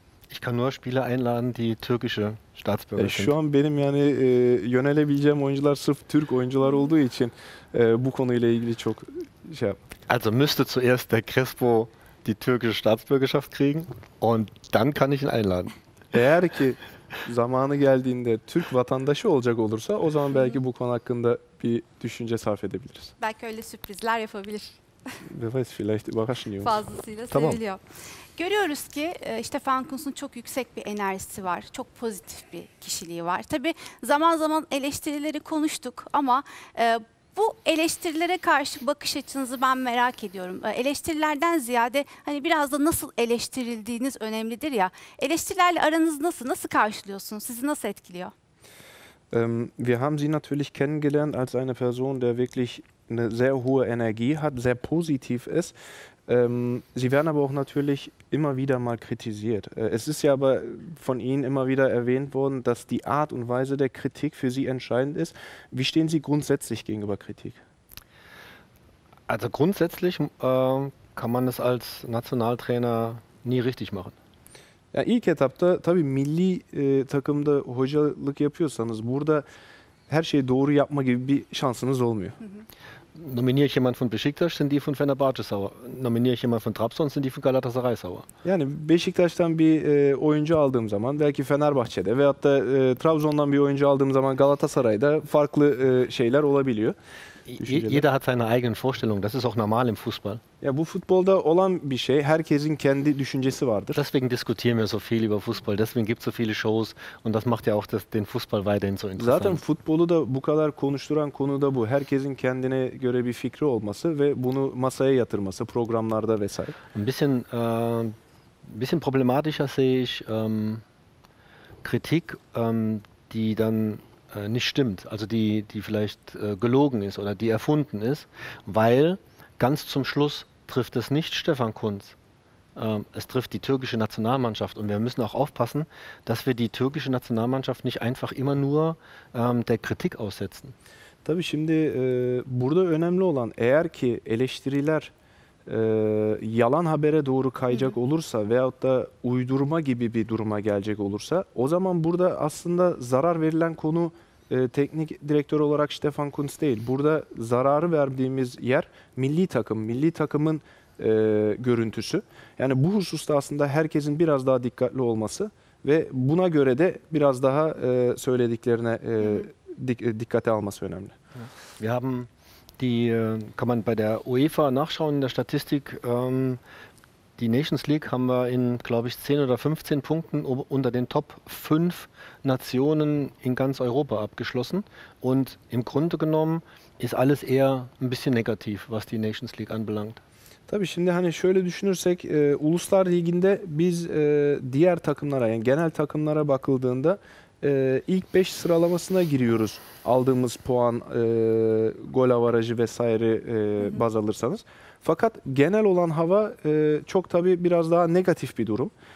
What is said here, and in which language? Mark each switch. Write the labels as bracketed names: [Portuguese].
[German] Ich kann nur Spieler einladen, die türkische Staatsbürger sind. [Turkish] Şu an benim yani yönelebileceğim oyuncular sırf Türk oyuncular olduğu için bu konuyla ilgili çok şey yap. [German] Also müsste zuerst der Crespo die türkische Staatsbürgerschaft kriegen und dann kann ich ihn einladen. [Turkish] Eğer ki zamanı geldiğinde Türk vatandaşı olacak olursa o zaman belki bu konu hakkında bir düşünce sarf edebiliriz. Belki öyle sürprizler yapabilir. [German] Wer weiß, vielleicht überraschen wir uns. [Turkish] Fazlasıyla tamam. Seviliyor. Görüyoruz ki işte Fankus'un çok yüksek bir enerjisi var. Çok pozitif bir kişiliği var. Tabii zaman zaman eleştirileri konuştuk ama bu eleştirilere karşı bakış açınızı ben merak ediyorum. Eleştirilerden ziyade hani biraz da nasıl eleştirildiğiniz önemlidir ya. Eleştirilerle aranız nasıl? Nasıl karşılıyorsunuz? Sizi nasıl etkiliyor? [German] Wir haben Sie natürlich kennengelernt als eine Person, der wirklich eine sehr hohe Energie hat, sehr positiv ist. Sie werden aber auch natürlich immer wieder mal kritisiert. Es ist ja aber von Ihnen immer wieder erwähnt worden, dass die Art und Weise der Kritik für Sie entscheidend ist. Wie stehen Sie grundsätzlich gegenüber Kritik? Also grundsätzlich kann man das als Nationaltrainer nie richtig machen. [Turkish] Ya ilk etapta tabii milli takımda hocalık yapıyorsanız burada her şeyi doğru yapma gibi bir şansınız olmuyor. [German] Nominiere ich jemanden von Beşiktaş, sind die von Fenerbahçe Sauer. Nominiere ich jemanden von Trabzon, sind die von Galatasaray Sauer. [Turkish] Yani Beşiktaş'tan bir oyuncu aldığım zaman, belki Fenerbahçe'de veyahut da Trabzon'dan bir oyuncu aldığım zaman Galatasaray'da farklı şeyler olabiliyor. [German] Jeder hat seine eigenen Vorstellungen. Das ist auch normal im Fußball. [Turkish] Ja, bu futbolda olan bir şey. Herkesin kendi düşüncesi vardır. [German] Deswegen diskutieren wir so viel über Fußball. Deswegen gibt es so viele Shows. Und das macht ja auch den Fußball weiterhin so interessant. [Turkish] Zaten futbolu da bu kadar konuşturan konu da bu. Herkesin kendine göre bir fikri olması ve bunu masaya yatırması, programlarda vesaire. [German] Ein bisschen problematischer sehe ich Kritik, die dann nicht stimmt, also die vielleicht gelogen ist oder die erfunden ist, weil ganz zum Schluss trifft es nicht Stefan Kuntz, es trifft die türkische Nationalmannschaft und wir müssen auch aufpassen, dass wir die türkische Nationalmannschaft nicht einfach immer nur der Kritik aussetzen. [Turkish] Tabii şimdi burada önemli olan eğer ki eleştiriler yalan habere doğru kayacak olursa veyahut da uydurma gibi bir duruma gelecek olursa o zaman burada aslında zarar verilen konu teknik direktör olarak Stefan Kuntz değil. Burada zararı verdiğimiz yer milli takımın görüntüsü. Yani bu hususta aslında herkesin biraz daha dikkatli olması ve buna göre de biraz daha söylediklerine dikkate alması önemli. [German] Wir haben die kann man bei der UEFA nachschauen in der Statistik. Die Nations League haben wir in, glaube ich, 10 oder 15 Punkten unter den Top 5 Nationen in ganz Europa abgeschlossen. Und im Grunde genommen ist alles eher ein bisschen negativ, was die Nations League anbelangt. [Turkish] Tabii şimdi hani şöyle düşünürsek, Uluslar Ligi'nde biz diğer takımlara, yani genel takımlara bakıldığında ilk 5 sıralamasına giriyoruz. Aldığımız puan, gol avarajı vesaire baz alırsanız. Fakat genel olan hava çok tabii biraz daha negatif bir durum.